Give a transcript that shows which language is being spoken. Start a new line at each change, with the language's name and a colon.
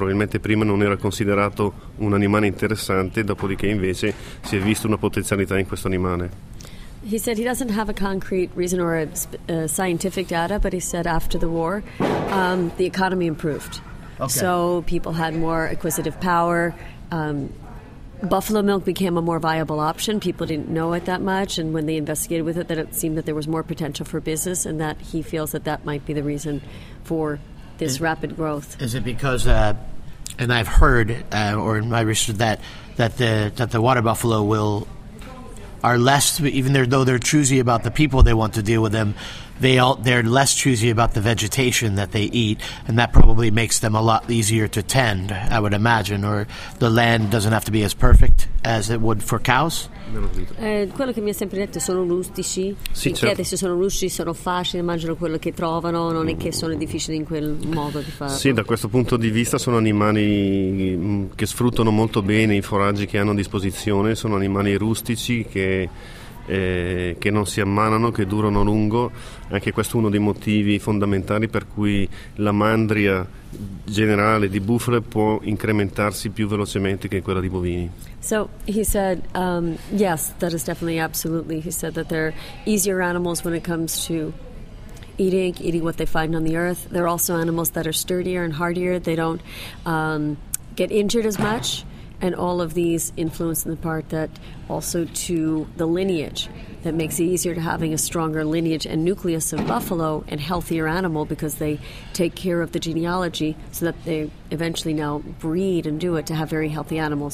Italian: Probabilmente prima non era considerato un animale interessante, dopodiché invece si è vista una potenzialità in questo animale.
English: He said he doesn't have a concrete reason or a scientific data, but he said after the war the economy improved. Okay. So people had more acquisitive power. Buffalo milk became a more viable option. People didn't know it that much, and when they investigated with it, that it seemed that there was more potential for business, and that he feels that that might be the reason for this rapid growth. Is it because, and I've heard, or in my research, that the water buffalo are less, though they're choosy about the people they want to deal with them, they're less choosy about the vegetation that they eat, and that probably makes them a lot easier to tend, I would imagine, or the land doesn't have to be as perfect as it would for cows.
Italian: Quello che mi ha sempre detto sono rustici. Sì, certo. Che adesso sono rustici, sono facili, mangiano quello che trovano, non è che sono difficili in quel modo di fare. Sì, da questo punto di vista sono animali che sfruttano molto bene i foraggi che hanno a disposizione, sono animali rustici che non si ammanano, che durano lungo. Anche questo è uno dei motivi fondamentali per cui la mandria generale di bufale può incrementarsi più velocemente che quella di bovini.
English: So he said yes, that is definitely absolutely. He said that they're easier animals when it comes to eating what they find on the earth. They're also animals that are sturdier and hardier. They don't get injured as much. And all of these influence in the part that also to the lineage, that makes it easier to having a stronger lineage and nucleus of buffalo and healthier animal because they take care of the genealogy so that they eventually now breed and do it to have very healthy animals.